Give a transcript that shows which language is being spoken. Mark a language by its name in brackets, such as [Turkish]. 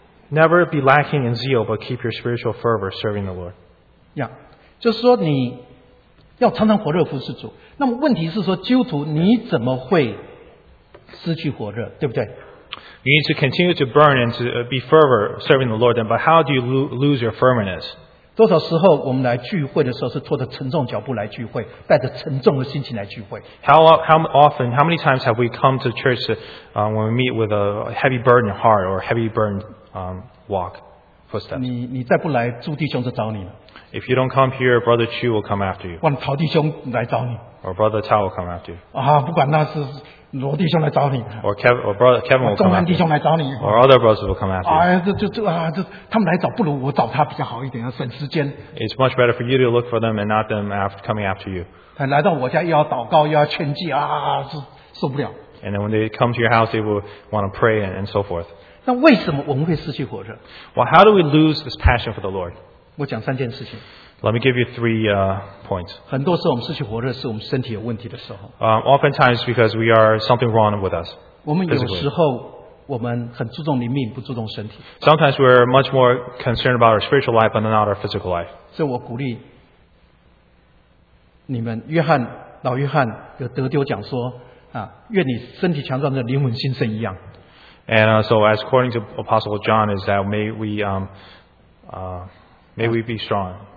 [English] Never be lacking in zeal, but keep your spiritual fervor serving the Lord. Yeah. [Chinese] 就是说你要常常火热服侍主, 那么问题是说, 基督徒你怎么会失去火热, 对不对? [English] You need to continue to burn and to be fervor serving the Lord, then, but how do you lose your firmness? [Chinese] 多少时候我们来聚会的时候是拖着沉重脚步来聚会, 带着沉重的心情来聚会? [English] How many times have we come to church when we meet with a heavy burden heart or heavy burden walk? Footsteps. [Chinese] 你再不来, 朱弟兄就找你了。 [English] If you don't come here, Brother Chu will come after you. [Chinese] 哇,陶弟兄来找你。 [English] Or Brother Tao will come after you. [Chinese] 啊,不管那是罗弟兄来找你。 [English] Or Kevin will come after you. Or other brothers will come after you. [Chinese] 他们来找,不如我找他比较好一点,省时间。 [English] It's much better for you to look for them and not them coming after you. [Chinese] 来到我家又要祷告,又要劝诫,受不了。 [English] And then when they come to your house, they will want to pray and so forth. [Chinese] 那为什么我们会失去火热? [English] Well, how do we lose this passion for the Lord? [Chinese] 我讲三件事情。 [English] Let me give you three points. [Chinese] 很多时候我们失去火热, 是我们身体有问题的时候。 [English] Oftentimes because we are something wrong with us. [Chinese] 我们有时候我们很注重灵命, 不注重身体。 [English] Sometimes we are much more concerned about our spiritual life but not our physical life. [Chinese] 所以我鼓励你们, 约翰, 老约翰, 有德丢讲说, 啊, 愿你身体强壮, 灵魂兴盛一样。 [English] And so, as according to Apostle John, is that may we be strong?